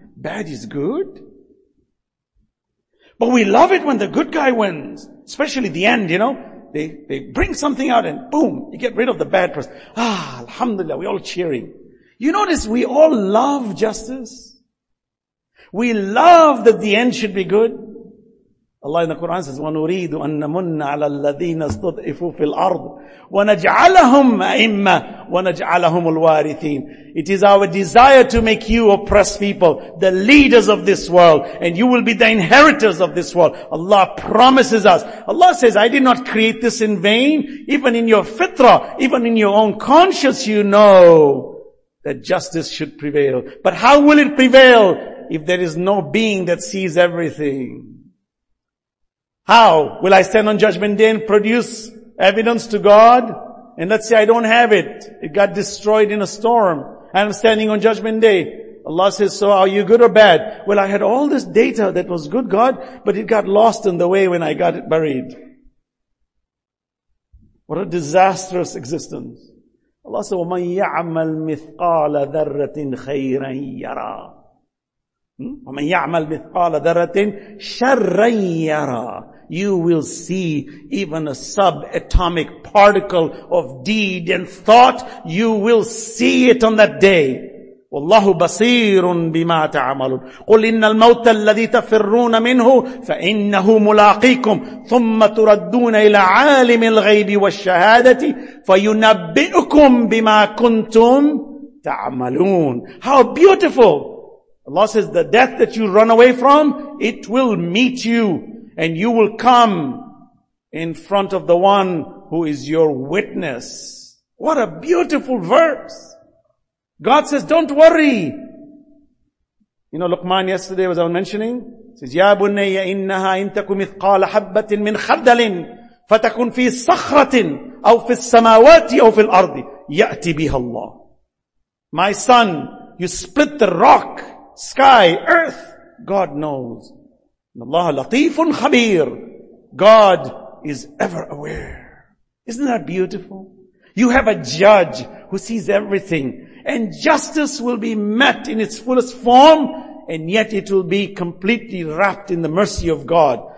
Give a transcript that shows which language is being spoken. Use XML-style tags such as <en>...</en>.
<en>Bad is good? But we love it when the good guy wins. Especially the end, you know. They bring something out and boom, you get rid of the bad person. Ah, alhamdulillah, we're all cheering. You notice we all love justice. We love that the end should be good. Allah in the Quran says,</en> <ar>وَنُرِيدُ أَنَّمُنَّ عَلَى الَّذِينَ اسْتُضْعِفُوا فِي الْأَرْضِ وَنَجْعَلَهُمْ أَئِمَّةً وَنَجْعَلَهُمُ الْوَارِثِينَ.</ar> <en>It is our desire to make you oppressed people, the leaders of this world, and you will be the inheritors of this world. Allah promises us. Allah says, I did not create this in vain. Even in your fitrah, even in your own conscience, you know that justice should prevail. But how will it prevail if there is no being that sees everything? How will I stand on judgment day and produce evidence to God? And let's say I don't have it. It got destroyed in a storm. And I'm standing on judgment day. Allah says, so are you good or bad? Well, I had all this data that was good, God, but it got lost in the way when I got it buried. What a disastrous existence. Allah says,</en> <ar>وَمَنْ يَعْمَلْ مِثْقَالَ ذَرَّةٍ خَيْرًا يَرَى. وَمَنْ يَعْمَلْ مِثْقَالَ ذَرَّةٍ شَرًّا يَرَى.</ar> <en>You will see even a subatomic particle of deed and thought. You will see it on that day.</en> <ar>وَاللَّهُ بَصِيرٌ بِمَا تَعْمَلُونَ. قُلْ إِنَّ الْمَوْتَ الَّذِي تَفِرُّونَ مِنْهُ فَإِنَّهُ مُلَاقِيكُمْ ثُمَّ تُرَدُّونَ إِلَى عَالِمِ الْغَيْبِ وَالشَّهَادَةِ فَيُنَبِّئُكُمْ بِمَا كُنْتُمْ تَعْمَلُونَ.</ar> <en>How beautiful! Allah says, the death that you run away from, it will meet you. And you will come in front of the one who is your witness. What a beautiful verse. God says, don't worry. You know, Luqman yesterday, as I was mentioning, says,</en> <ar>يَا بُنَّيَّ إِنَّهَا إِنْ تَكُ مِثْقَالَ حَبَّةٍ مِنْ خَرْدَلٍ فَتَكُنْ فِي صَخْرَةٍ أَوْ فِي السَّمَاوَاتِ أَوْ فِي الْأَرْضِ يَأْتِ بِهَا اللَّهِ.</ar> <en>My son, you split the rock, sky, earth, God knows.</en> <ar>الله لطيف خبير.</ar> <en>God is ever aware. Isn't that beautiful? You have a judge who sees everything, and justice will be met in its fullest form, and yet it will be completely wrapped in the mercy of God.</en>